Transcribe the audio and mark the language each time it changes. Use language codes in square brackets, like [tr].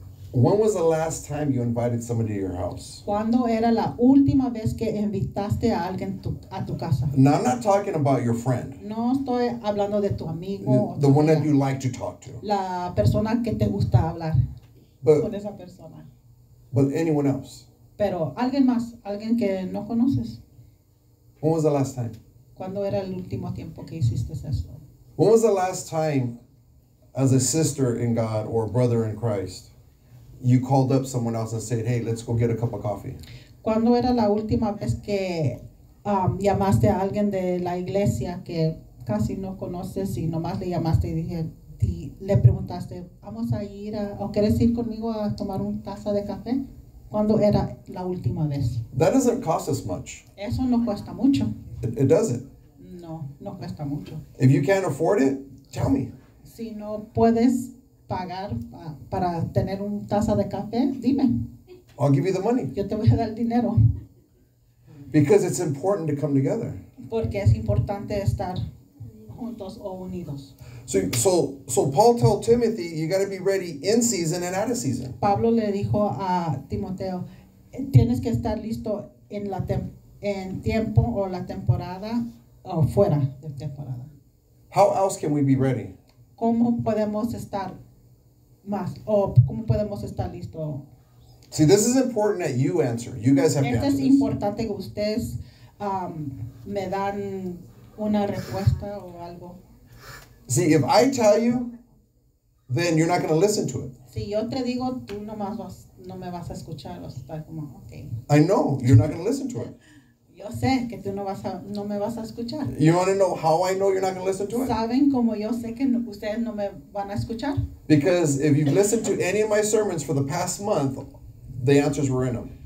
[en] When was the last time you invited somebody to your house? [es] ¿Cuándo era la última vez que invitaste a alguien a tu casa? [en] No, I'm not talking about your friend. [es] No estoy hablando de tu amigo. [en] The one that you like to talk to. [es] La persona que te gusta hablar. [en] But, [es] con esa persona. [en] But anyone else? [es] Pero alguien más, alguien que no conoces. [en] When was the last time? [es] ¿Cuándo era el último tiempo que hiciste eso? [en] When was the last time, as a sister in God or brother in Christ, you called up someone else and said, hey, let's go get a cup of coffee? [es] ¿Cuándo era la última vez que llamaste a alguien de la iglesia que casi no conoces y nomás le llamaste y dije... y le preguntaste, ¿vamos a ir a, o quieres ir conmigo a tomar una taza de café? cuando era la última vez. [en] That doesn't cost us much. [es] Eso no cuesta mucho. [en] It doesn't. [es] No, no cuesta mucho. [en] If you can't afford it, tell me. [es] Si no puedes pagar para tener un taza de café, dime. [en] I'll give you the money. [es] Yo te voy a dar el dinero. [en] Because it's important to come together. [es] Porque es importante estar juntos o unidos. [en] So Paul told Timothy, you got to be ready in season and out of season. [es] Pablo le dijo a Timoteo, tienes que estar listo en la en tiempo o la temporada o fuera de temporada. [en] How else can we be ready? [es] ¿Cómo podemos estar más o cómo podemos estar listo? [en] See, this is important that you answer. You guys have to answer. [es] Es importante que ustedes me dan una respuesta o algo. [en] See, if I tell you, then you're not going to listen to it. [es] Si yo te digo, tú no más vas, no me vas a escuchar, vas a estar como, okay. [en] I know you're not going to listen to it. [es] Yo sé que tú no vas a, no me vas a escuchar. [en] You want to know how I know you're not going to listen to it? [es] ¿Saben cómo yo sé que no, ustedes no me van a escuchar? [en] Because if you've listened to any of my sermons for the past month, the answers were in them.